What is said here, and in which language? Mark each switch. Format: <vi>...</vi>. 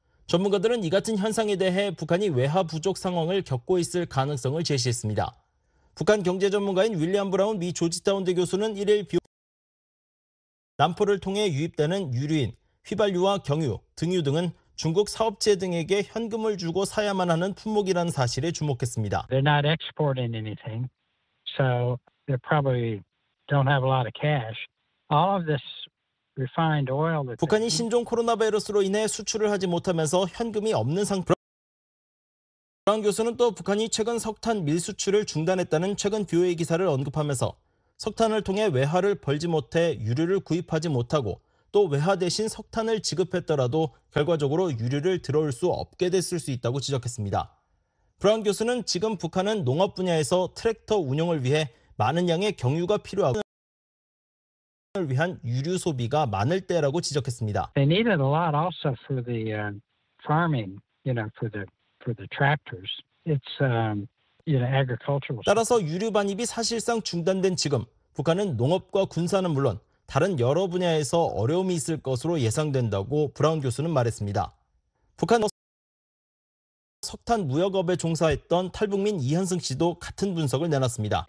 <ko>전문가들은 이 같은 현상에 대해 북한이 외화 부족 상황을 겪고 있을 가능성을 제시했습니다. 북한 경제 전문가인 윌리엄 브라운 미 조지타운대 교수는 1일 남포를 통해 유입되는 유류인 휘발유와 경유, 등유 등은 중국 사업체 등에게 현금을 주고 사야만 하는 품목이라는 사실에 주목했습니다.</ko> <en>They're not exporting anything, so they probably don't have a lot of cash. All of this refined oil.</en> <ko>북한이 신종 코로나 바이러스로 인해 수출을 하지 못하면서 현금이 없는 상태. 브라운 교수는 또 북한이 최근 석탄 밀 수출을 중단했다는 최근 뷰의 기사를 언급하면서 석탄을 통해 외화를 벌지 못해 유류를 구입하지 못하고 또 외화 대신 석탄을 지급했더라도 결과적으로 유류를 들어올 수 없게 됐을 수 있다고 지적했습니다. 브라운 교수는 지금 북한은 농업 분야에서 트랙터 운용을 위해 많은 양의 경유가 필요하고 을 위한 유류 소비가 많을 때라고 지적했습니다.</ko> <en>They needed a lot also for the farming, you know, for the tractors. It's agricultural.</en> <ko>따라서 유류 반입이 사실상 중단된 지금 북한은 농업과 군사는 물론 다른 여러 분야에서 어려움이 있을 것으로 예상된다고 브라운 교수는 말했습니다. 북한 석탄 무역업에 종사했던 탈북민 이현승 씨도 같은 분석을 내놨습니다.</ko>